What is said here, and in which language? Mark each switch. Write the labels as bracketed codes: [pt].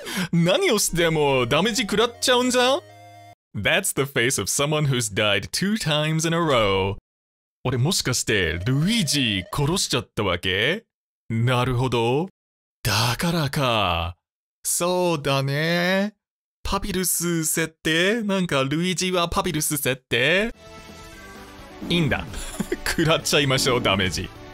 [ja] 何をしてもダメージ食らっちゃうんじゃん。 [en] That's the face of someone who's died two times in a row. [ja] 俺もしかしてルイージ殺しちゃったわけ。なるほど、だからか。そうだね、パピルス設定、なんかルイージはパピルス設定。いいんだ、食らっちゃいましょう、ダメージ。